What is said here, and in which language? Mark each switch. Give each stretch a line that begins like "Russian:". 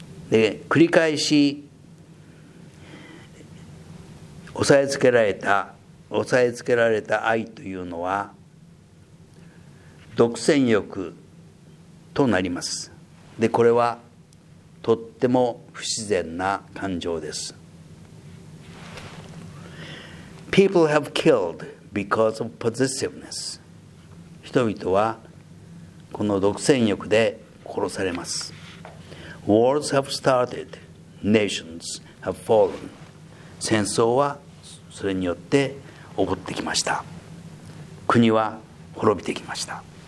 Japanese: で、繰り返し押さえつけられた、押さえつけられた愛というのは独占欲となります。で、これはとっても不自然な感情です。
English: People have killedBecause of possessiveness.
Japanese: 人々はこの独占欲で殺されます。
English: Wars have started. Nations have fallen.
Japanese: 戦争はそれによって起こってきました。国は滅びてきました。